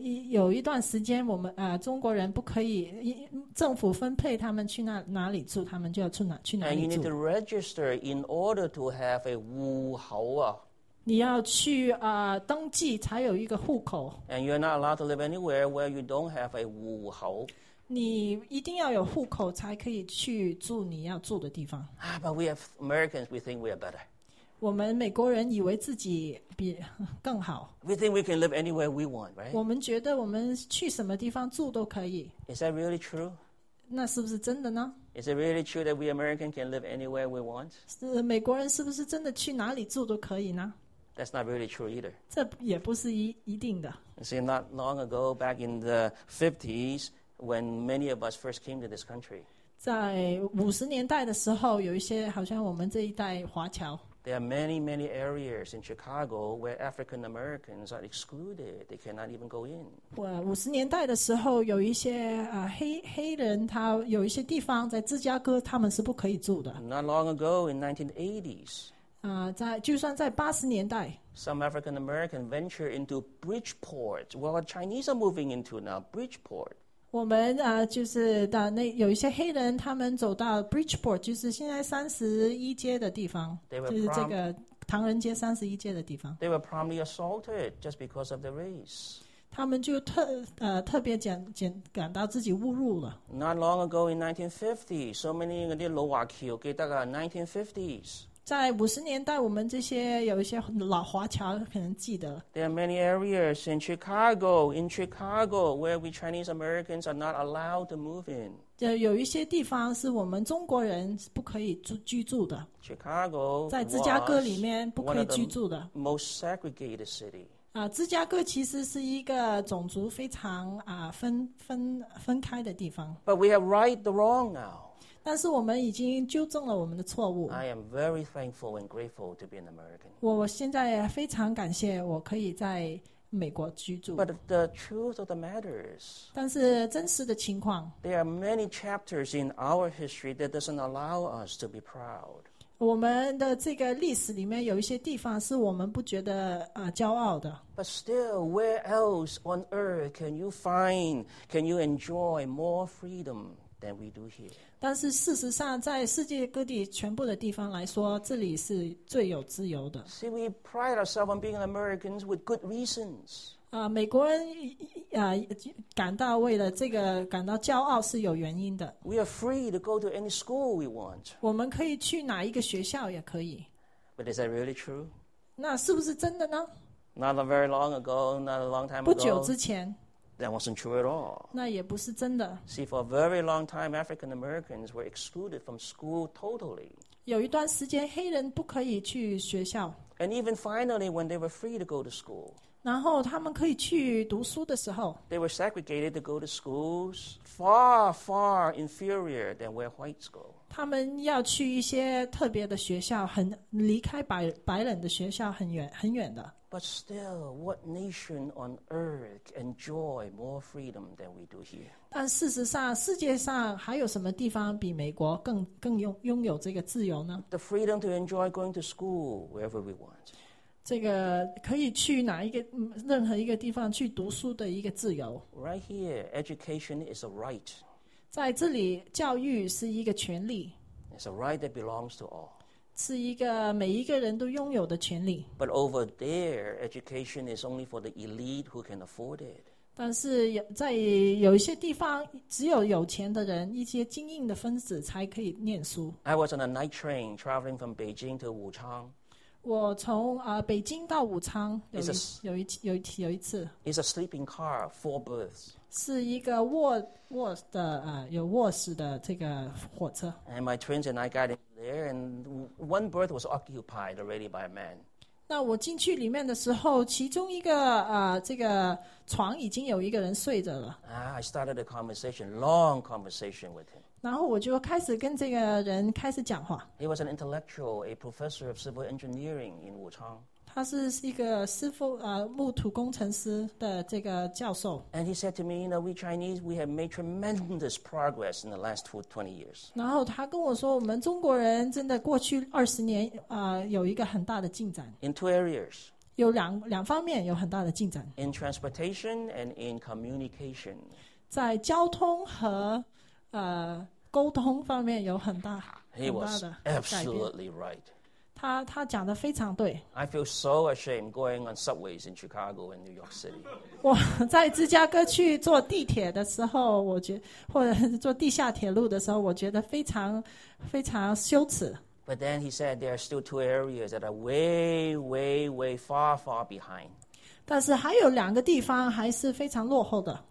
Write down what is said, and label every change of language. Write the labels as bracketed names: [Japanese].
[Chinese] 有一段时间我们中国人不可以政府分配他们去哪里住，他们就要去哪里住。 [English] And you need to register in order to have a 户口啊。 [Chinese] 你要去登记才有一个户口。 [English] And you're not allowed to live anywhere where you don't have a 户口。 [Chinese] 你一定要有户口才可以去住你要住的地方。 [English] But we have Americans, we think we are better. [Chinese] 我们美国人以为自己比更好。 [English] We think we can live anywhere we want, right? [Chinese] 我们觉得我们去什么地方住都可以。 [English] Is that really true? [Chinese] 那是不是真的呢？ [English] Is it really true that we Americans can live anywhere we want? [Chinese] 美国人是不是真的去哪里住都可以呢？ [English] That's not really true either. [Chinese] 这也不是一定的。 [English] You see, not long ago, back in the 50s, when many of us first came to this country, [Chinese] 在五十年代的时候，有一些好像我们这一代华侨。 [English] There are many, many areas in Chicago where African Americans are excluded. They cannot even go in. [Chinese] 50年代的时候，有一些黑人，他有一些地方在芝加哥，他们是不可以住的。 [English] Not long ago, in 1980s, [Chinese] 就算在80年代 [English] ，some African American venture into Bridgeport. Well, Chinese are moving into now Bridgeport. [Chinese] 我们就是到那有一些黑人，他们走到 Bridgeport， 就是现在31街的地方，就是这个唐人街31街的地方。 [English] They were promptly assaulted just because of their race. [Chinese] 他们就特别感到自己侮辱了。 [English] Not long ago in 1950s, so many [Chinese] 那些老华侨，记得啊 [English] ，1950s。 [Chinese] 在五十年代，我们这些有一些老华侨可能记得。 [English] There are many areas in Chicago, where we Chinese Americans are not allowed to move in. [Chinese] 有一些地方是我们中国人不可以居住的。 [English] Chicago [Chinese] 在芝加哥里面不可以居住的。 [English] Most segregated city. [Chinese] 芝加哥其实是一个种族非常分开的地方。 [English] But we have right the wrong now. [Chinese] 但是我们已经纠正了我们的错误。 [English] I am very thankful and grateful to be an American. [Chinese] 我现在非常感谢我可以在美国居住。 [English] But the truth of the matter is, [Chinese] 但是真实的情况 [English] ，There are many chapters in our history that doesn't allow us to be proud. [Chinese] 我们的这个历史里面有一些地方是我们不觉得骄傲的。 [English] But still, where else on earth can you find, can you enjoy more freedom than we do here? [Chinese] 但是事实上，在世界各地全部的地方来说，这里是最有自由的。 [English] See, we pride ourselves on being Americans with good reasons. [Chinese] 美国人感到为了这个感到骄傲是有原因的。 [English] We are free to go to any school we want. [Chinese] 我们可以去哪一个学校也可以。 [English] But is that really true? [Chinese] 那是不是真的呢？ [English] Not a very long ago, not a long time ago. [Chinese] 不久之前。 [English] That wasn't true at all. [Chinese] 那也不是真的。 [English] See, for a very long time, African Americans were excluded from school totally. [Chinese] 有一段时间黑人不可以去学校。 [English] And even finally, when they were free to go to school, [Chinese] 然后他们可以去读书的时候 [English] ，They were segregated to go to schools far, far inferior than where whites go. [Chinese] 他们要去一些特别的学校，很离开白人的学校很远很远的。 [English] But still, what nation on earth enjoy more freedom than we do here? [Chinese] 但事实上，世界上还有什么地方比美国更拥有这个自由呢 [English] ？The freedom to enjoy going to school wherever we want. [Chinese] 这个可以去哪一个任何一个地方去读书的一个自由。 [English] Right here, education is a right. [Chinese] 在这里，教育是一个权利。 [English] It's a right that belongs to all. [Chinese] 是一个每一个人都拥有的权利。 [English] But over there, education is only for the elite who can afford it. [Chinese] 但是在有一些地方，只有有钱的人，一些精英的分子才可以念书。 [English] I was on a night train traveling from Beijing to Wuchang. [Chinese] 我从北京到武昌有一次 [English] It's a sleeping car, four berths. [Chinese] 是一个卧室的这个火车。 [English] And my twins and I got in there, and one berth was occupied already by a man. [Chinese] 那我进去里面的时候，其中一个这个床已经有一个人睡着了。 [English] I started a conversation, long conversation with him. [Chinese] 然后我就开始跟这个人开始讲话。 [English] He was an intellectual, a professor of civil engineering in Wuchang. [Chinese] 他是一个木土工程师的这个教授。 [English] And he said to me, you know, we Chinese, we have made tremendous progress in the last 20 years. [Chinese] 然后他跟我说，我们中国人真的过去20年有一个很大的进展。 [English] In two areas. [Chinese] 有两方面有很大的进展。 [English] In transportation and in communication. [Chinese] 在交通和沟通方面有很大很大的改变。 [English] He was absolutely right. [Chinese] 他讲得非常对。 [English] I feel so ashamed going on subways in Chicago and New York City. [Chinese] 我在芝加哥去坐地铁的时候，或者是坐地下铁路的时候，我觉得非常非常羞耻。 [English] But then he said there are still two areas that are way, way, way far, far behind. [Chinese] 但是还有两个地方还是非常落后的。